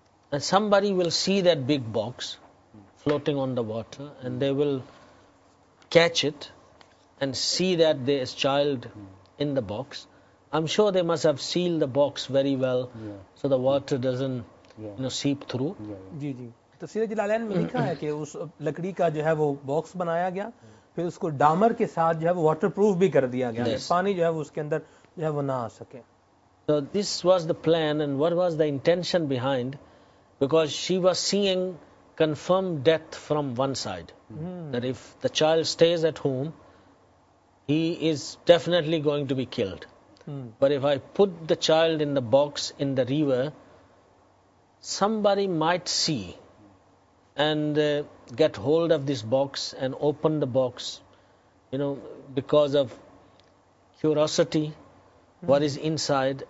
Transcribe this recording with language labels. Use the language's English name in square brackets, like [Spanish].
[English] And somebody will see that big box floating on the water and they will catch it and see that there is child in the box. I'm sure they must have sealed the box very well so the water doesn't seep through. [Urdu] تو سیرت جلالین میں لکھا ہے کہ اس لکڑی کا جو ہے وہ باکس بنایا گیا پھر اس کو ڈامر کے ساتھ جو ہے وہ واٹر پروف بھی کر دیا گیا پانی جو ہے وہ اس کے اندر جو ہے وہ نہ آ سکے. [English] So this was the plan and what was the intention behind, because she was seeing confirmed death from one side. That if the child stays at home, he is definitely going to be killed. But if I put the child in the box in the river, somebody might see and get hold of this box and open the box, you know, because of curiosity, what is inside.